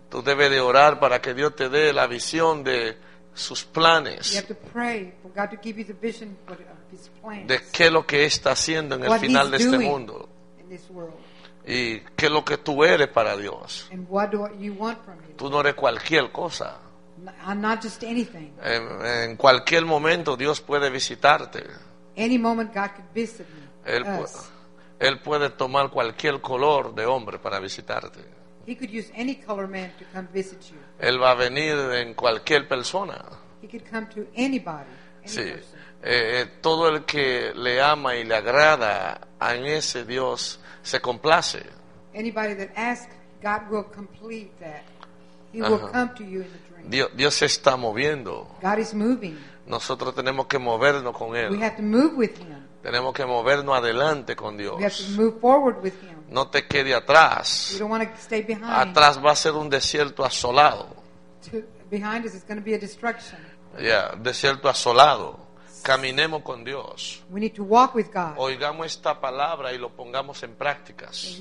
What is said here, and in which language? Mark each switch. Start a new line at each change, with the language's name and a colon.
Spanish: Tú debes de orar para que Dios te dé la visión de sus planes.
English: You have to pray for God to give you the vision of his plans.
Spanish: De qué es lo que está haciendo en
English: what
Spanish: el final de este mundo.
English: In this world.
Spanish: Y qué es lo que tú eres para Dios.
English: And what do you want from him?
Spanish: Tú no eres cualquier cosa.
English: I'm not just anything.
Spanish: En cualquier momento Dios puede visitarte.
English: Any moment God could visit me.
Spanish: Él puede tomar cualquier color de hombre para visitarte.
English: He could use any color man to come visit you.
Spanish: Él va a venir en cualquier persona.
English: He could come to anybody.
Spanish: Sí.
English: Person.
Spanish: Todo el que le ama y le agrada a ese Dios se complace.
English: Anybody that asks, God will complete that. He uh-huh. will come to you in the dream.
Spanish: Dios se está moviendo.
English: God is moving.
Spanish: Nosotros tenemos que movernos con Él.
English: We have to move with him.
Spanish: Tenemos que movernos adelante con Dios.
English: We have to move forward with him.
Spanish: No te quedes atrás.
English: You don't want to stay behind.
Spanish: Atrás va a ser un desierto asolado.
English: Behind us is going to be a destruction.
Spanish: Yeah, desierto asolado. Caminemos con Dios.
English: We need to walk with God.
Spanish: Oigamos esta palabra y lo pongamos en prácticas.